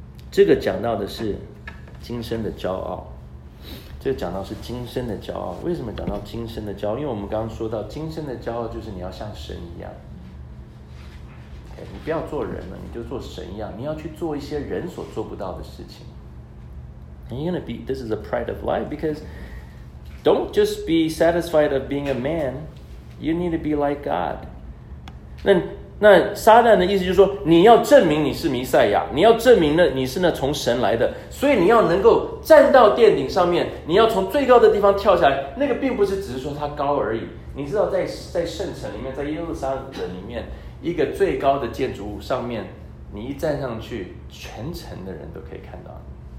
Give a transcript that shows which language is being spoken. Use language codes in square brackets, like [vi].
[zh] 这个讲到的是今生的骄傲，这讲到是今生的骄傲。为什么讲到今生的骄傲？因为我们刚刚说到今生的骄傲就是你要像神一样， okay, 你不要做人了，你就做神一样，你要去做一些人所做不到的事情。 [en] And you're gonna be, this is the pride of life, because don't just be satisfied of being a man, you need to be like God. [zh] 那撒旦的意思就是说，你要证明你是弥赛亚，你要证明你是那从神来的，所以你要能够站到殿顶上面，你要从最高的地方跳下来。那个并不是只是说他高而已，你知道在圣城里面，在耶路撒冷里面一个最高的建筑物上面，你一站上去全城的人都可以看到你。